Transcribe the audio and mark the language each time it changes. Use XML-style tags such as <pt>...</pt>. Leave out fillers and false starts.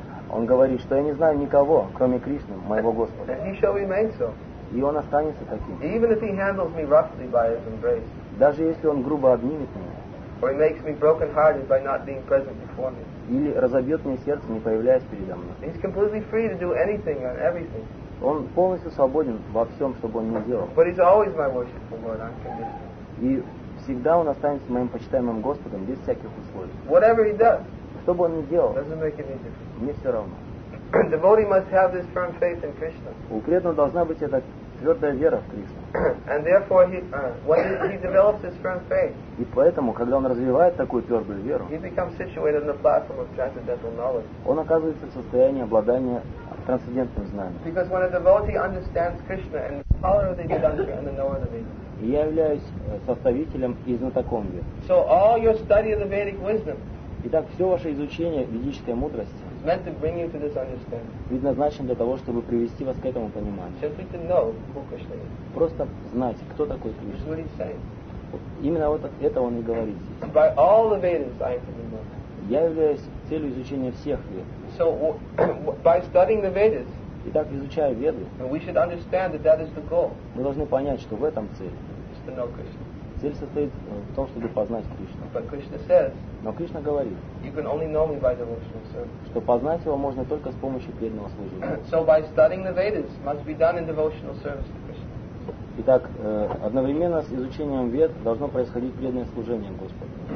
<ru>Он говорит, что я не знаю никого, кроме Кришны, моего Господа.</ru> <en>And he shall remain so.</en> <ru>И он останется таким.</ru> <en>Even if he handles me roughly by his embrace.</en> <ru>Даже если он грубо обнимет меня.</ru> <en>Or he makes me broken-hearted by not being present before me.</en> <ru>Или разобьет мне сердце, не появляясь передо мной.</ru> <en>He's completely free to do anything and everything.</en> <ru>Он полностью свободен во всем, что бы он ни делал.</ru> <en>But he's always my worshipful Lord, unconditional.</en> <ru>И всегда он останется моим почитаемым Господом без всяких условий.</ru> <en>Whatever he does,</en> <ru>что бы он ни делал,</ru> <en>doesn't make any difference.</en> <ru>Мне все равно.</ru> <en>Devotee must have this firm faith in Krishna.</en> <ru>У преданного должна быть эта твердая вера в Кришну.</ru> <en>And therefore when he develops his firm faith.</en> <ru>И поэтому, когда он развивает такую твердую веру,</ru> <en>he becomes situated on the platform of transcendental knowledge.</en> <ru>Он оказывается в состоянии обладания трансцендентным знанием.</ru> <en>Because when a devotee understands Krishna and the power of the Vedanta.</en> <ru>Я являюсь составителем и знатоком веры.</ru> <en>So all your study of the Vedic wisdom.</en> <ru>Итак, все ваше изучение ведической мудрости</ru> <en>meant to bring you to this understanding.</en> <ru>Предназначен для того, чтобы привести вас к этому пониманию.</ru> <en>Simply to know who Krishna is.</en> <ru>Просто знать, кто такой Кришна.</ru> <en>What he's saying.</en> <ru>Именно вот это он и говорит здесь.</ru> <en>And by all the Vedas, I am to be known.</en> <ru>Я являюсь целью изучения всех Вед.</ru> <en>So, by studying the Vedas,</en> <ru>итак, изучая Веды,</ru> <en>we should understand that that is the goal.</en> <ru>Мы должны понять, что в этом цель.</ru> <en>Is to know Krishna.</en> <ru>Цель состоит в том, чтобы познать Кришну.</ru> <en>But Krishna says,</en> <ru>но Кришна говорит,</ru> <en>you can only know me by devotional service.</en> <ru>Что познать его можно только с помощью преданного служения.</ru> <en>So by studying the Vedas must be done in devotional service to Krishna.</en> <ru>Итак, одновременно с изучением Вед должно происходить преданное служение Господу.</ru>